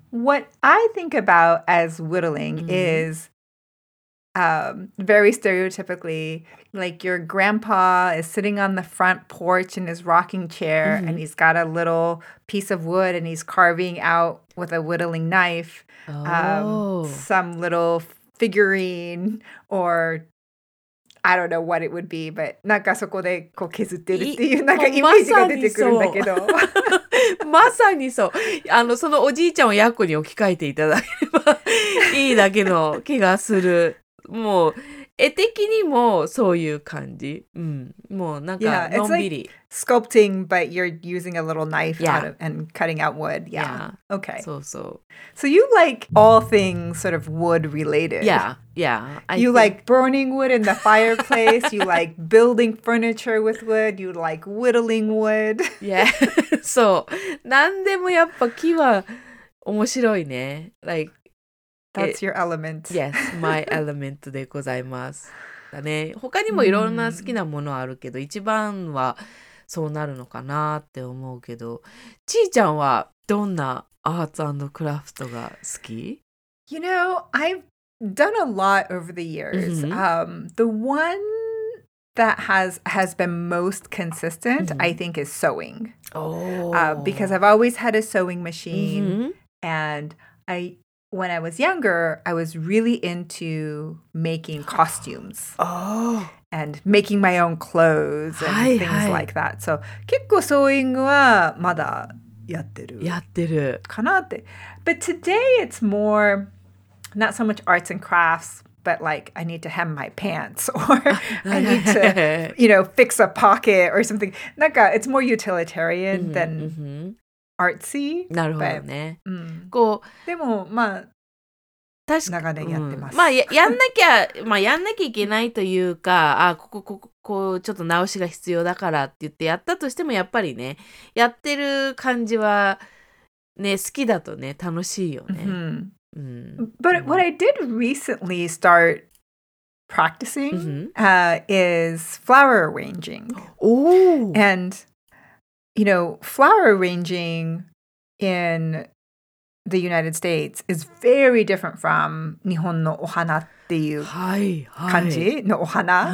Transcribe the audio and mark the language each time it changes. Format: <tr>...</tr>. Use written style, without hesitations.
<en>What I think about as whittling is very stereotypically, like your grandpa is sitting on the front porch in his rocking chair and he's got a little piece of wood and he's carving out with a whittling knife some little figurine or I don't know what it would be, but</en> <ja>なんかそこでこう削ってるっていうなんかイメージが出てくるんだけど。まさにそう。そのおじいちゃんをやっこに置き換えていただければいいだけの気がする。もう絵的にもそういう感じ。うん、もうなんかのんびり。</ja> <en>Yeah, it's like sculpting, but you're using a little knife and cutting out wood. Yeah. yeah. Okay.</en> <ja>そうそう。</ja> <en>So you like all things sort of wood related. Yeah. Yeah. You like burning wood in the fireplace. you like building furniture with wood. You like whittling wood. yeah. そう。</en> <ja>なんでもやっぱ木は面白いね。</ja> <en>Like, That's your element. Yes, my element</en> <ja>でございます。だね。他にもいろんな好きなものあるけど、一番はそうなるのかなって思うけど、ちーちゃんはどんなアーツ&クラフトが好き？</ja> <en>You know, I've done a lot over the years. The one that has been most consistent, I think, is sewing. Because I've always had a sewing machine, and When I was younger, I was really into making costumes and making my own clothes and things like that.</en> <ja>So, 結構ソーイングはまだやってるかなって。</ja> <en>But today it's more, not so much arts and crafts, but like I need to hem my pants or I need to, you know, fix a pocket or something. なんか it's more utilitarian than... Artsy?</en> <ja>なるほどね。でも、まあ、確かに長年やってます。うん、まあ やんなきゃ、まあやんなきゃいけないというか、あ、ここちょっと直しが必要だからって言ってやったとしても、やっぱりね、やってる感じはね、好きだとね、楽しいよね。</ja> <en>Mm-hmm. But what I did recently start practicing、mm-hmm. Is flower arranging. Oh! And, you know, flower arranging in the United States is very different from</en> <ja>日本のお花っていう感じのお花。</ja>